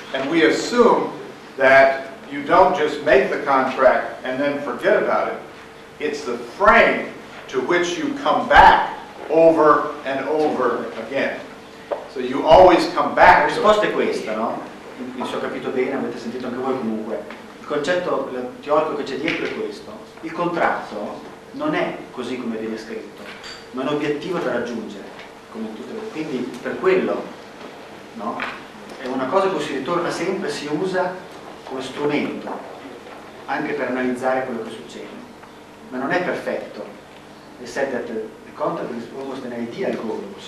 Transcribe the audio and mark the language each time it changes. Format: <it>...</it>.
<en>And we assume that you don't just make the contract and then forget about it. It's the frame to which you come back over and over again. So you always come back.</en> <it>La risposta è questa, no? Se ho capito bene, avete sentito anche voi comunque. Il concetto teorico che c'è dietro è questo. Il contratto non è così come viene scritto, ma è un obiettivo da raggiungere. Come tutte le... Quindi per quello, no? È una cosa che si ritorna sempre, si usa come strumento, anche per analizzare quello che succede. Ma non è perfetto.</it> <en>E said that the contract is almost an ideal goal.</en>